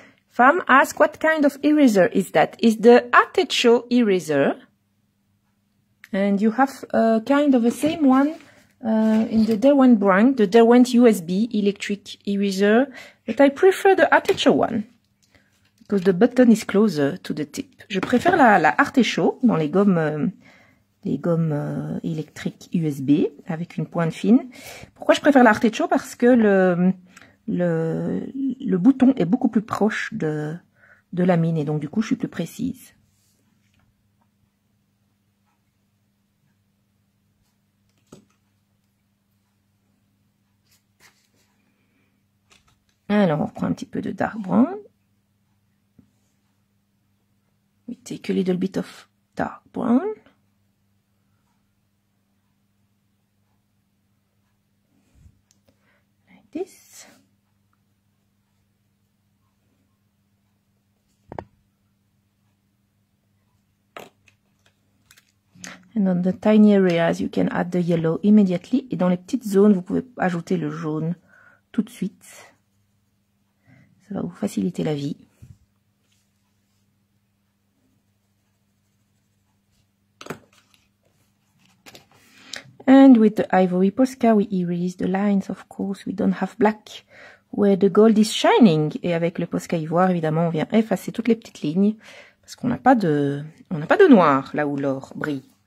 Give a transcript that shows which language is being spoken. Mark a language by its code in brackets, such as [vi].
[en] Fam asks, what kind of eraser is that? Is the Artecho eraser. And you have a kind of the same one in the Derwent brand, the Derwent USB electric eraser. But I prefer the Artecho one. Because the button is closer to the tip. [fr] Je préfère la Artecho dans les gommes électriques USB avec une pointe fine. Pourquoi je préfère la Artecho? Parce que le bouton est beaucoup plus proche de la mine et donc du coup je suis plus précise. Alors on reprend un petit peu de dark brown. [en] Take a little bit of dark brown. Like this. And on the tiny areas, you can add the yellow immediately. [fr] Et dans les petites zones, vous pouvez ajouter le jaune tout de suite. Ça va vous faciliter la vie. [en] And with the ivory Posca, we erase the lines, of course. We don't have black where the gold is shining. [fr] Et avec le Posca ivoire, évidemment, on vient effacer toutes les petites lignes parce qu'on n'a pas de, on n'a pas de noir là où l'or brille.